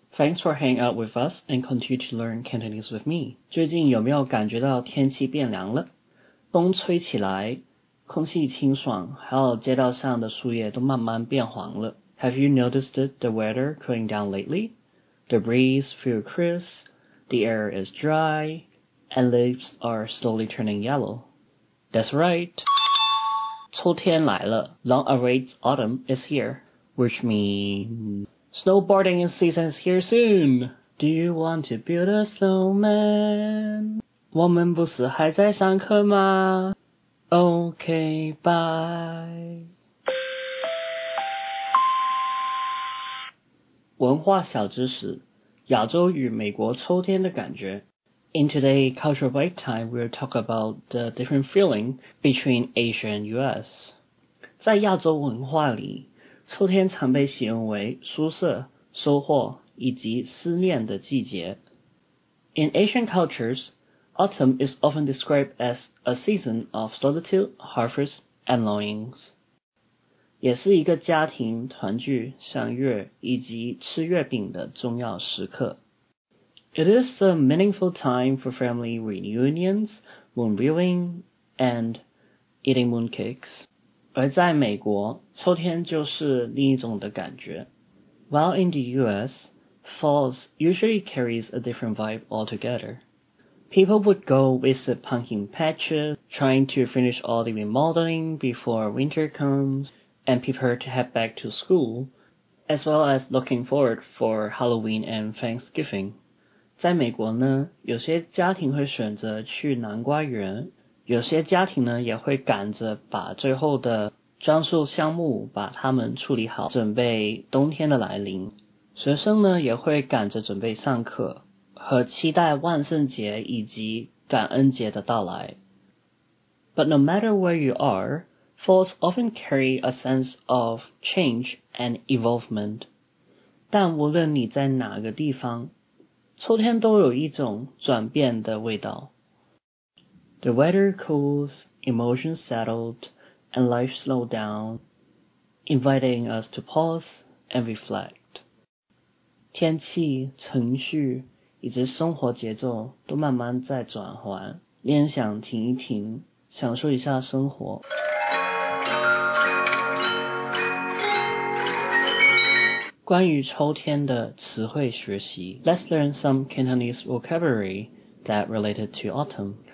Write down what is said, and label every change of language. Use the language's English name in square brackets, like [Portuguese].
[English] Thanks for hanging out with us and continue to learn Cantonese with me. [Chinese] 最近有没有感觉到天气变凉了？风吹起来，空气清爽，还有街道上的树叶都慢慢变黄了。 [English] Have you noticed the weather cooling down lately? The breeze feels crisp, the air is dry, and leaves are slowly turning yellow. That's right. [Chinese] 秋天来了， [English] long awaited autumn is here, which means... Snowboarding season is here soon! Do you want to build a snowman? [Chinese] 我们不是还在上课吗？ [English] OK, bye! [Chinese] 文化小知识，亚洲与美国秋天的感觉。 [English] In today's cultural break time, we'll talk about the different feeling between Asia and US. [Chinese] 在亚洲文化里，秋天常被形容为舒适、收获以及思念的季节。 [English] In Asian cultures, autumn is often described as a season of solitude, harvest, and longings. [Chinese] 也是一个家庭团聚、赏月以及吃月饼的重要时刻。 [English] It is a meaningful time for family reunions, moon viewing, and eating mooncakes. [Chinese] 而在美国，秋天就是另一种的感觉。 [English] While in the US, fall usually carries a different vibe altogether. People would go visit pumpkin patches, trying to finish all the remodeling before winter comes, and prepare to head back to school, as well as looking forward for Halloween and Thanksgiving. [Chinese] 在美国呢，有些家庭会选择去南瓜园，有些家庭呢也会赶着把最后的装束项目把它们处理好，准备冬天的来临。学生呢也会赶着准备上课和期待万圣节以及感恩节的到来。 [English] But no matter where you are, falls often carry a sense of change and evolvement. [Chinese] 但无论你在哪个地方，秋天都有一种转变的味道。 [English] The weather cools, emotions settled, and life slowed down, inviting us to pause and reflect. [Chinese] 天气、程序以及生活节奏都慢慢在转换，念想停一停，享受一下生活。关于秋天的词汇学习， [English] Let's learn some Cantonese vocabulary that related to autumn.